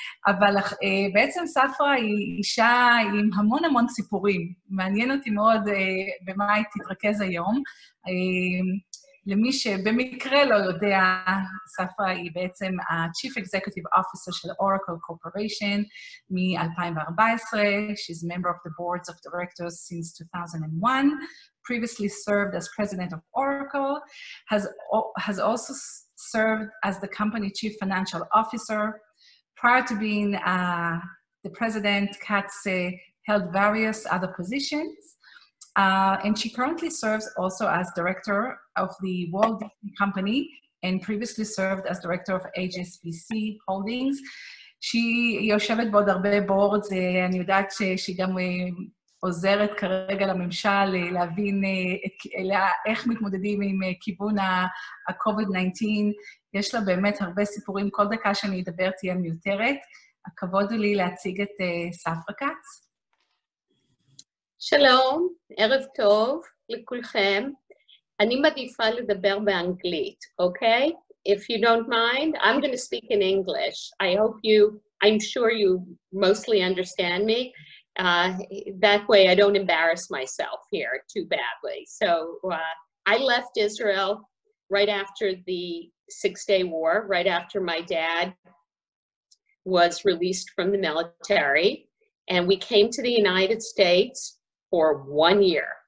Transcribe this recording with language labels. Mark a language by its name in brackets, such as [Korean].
[Hebrew] אבל בעצם ספרה היא אישה עם המון המון סיפורים. מעניין אותי מאוד במה היא תתרכז היום. למי שבמקרה לא יודע, ספרה היא בעצם ה-Chief Executive Officer של Oracle Corporation מ-2014. [English] She's a member of the boards of directors since 2001. Previously served as president of Oracle. Has also served as the company Chief Financial Officer. Prior to being the president, Katz held various other positions. And she currently serves also as director of the Walt Disney Company and previously served as director of HSBC Holdings. [Hebrew] She יושבת בעוד הרבה בורדס, אני יודעת שהיא גם עוזרת כרגע לממשל להבין איך מתמודדים עם כיוון ה-COVID-19. יש לה באמת הרבה סיפורים, כל דקה שאני אדבר תהיה מיותרת. הכבוד לי להציג את ספרה כץ. שלום, ערב טוב לכולכם. אני מעדיפה לדבר באנגלית, אוקיי? [English] If you don't mind, I'm going to speak in English. I'm sure you mostly understand me. That way I don't embarrass myself here too badly. So I left Israel right after the Six-Day War, right after my dad was released from the military, and we came to the United States for 1 year.